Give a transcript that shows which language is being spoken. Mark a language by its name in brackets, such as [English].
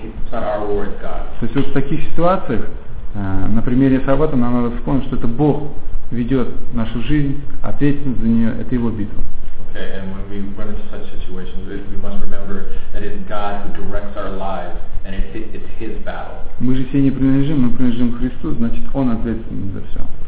[Russian] То есть вот в таких ситуациях, на примере Иосафата, нам надо вспомнить, что это Бог ведет нашу жизнь, ответственность за нее, это Его битва. [English] Okay, and when we run into such situations, we must remember that it's God who directs our lives, and it's His battle. [Russian] Мы же все не принадлежим, мы принадлежим Христу, значит, Он ответственен за все.